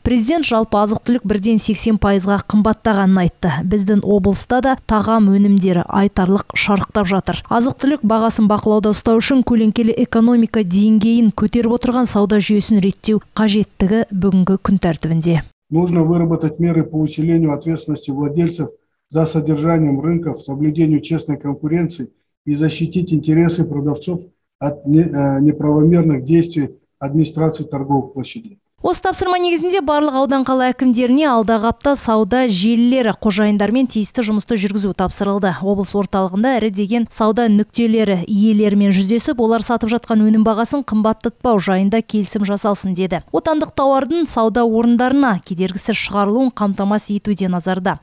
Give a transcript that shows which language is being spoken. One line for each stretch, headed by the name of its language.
Kazakh: Президент жалпы азық-түлік бірден 80%-ға қымбаттағанын айтты. Біздің облыста да тағам өнімдері айтарлық шарықтап жатыр. Азық-түлік бағасын бақылауда ұстау үшін көлеңкелі экономика деңгейін көтеріп отырған сауда жүйесін реттеу қажеттігі бүгінгі күн тәртібінде.
Russian: Нужно выработать меры по усилению ответственности владельцев за содержанием рынков, соблюдению честной конкуренции и защитить интересы продавцов от неправомерных действий администрации торговых площадей.
Kazakh: Осы тапсырма негізінде барлық аудан қала әкімдеріне алдағы апта сауда желілері қожайындармен тиісті жұмысты жүргізу тапсырылды. Облыс орталығында ірі деген сауда нүктелері иелерімен жүздесіп, олар сатып жатқан өнім бағасын қымбаттатпау жайында келісім жасалсын деді. Отандық тауардың сауда орындарына кедергісі шығарылуын қамтамасыз етуде назарда.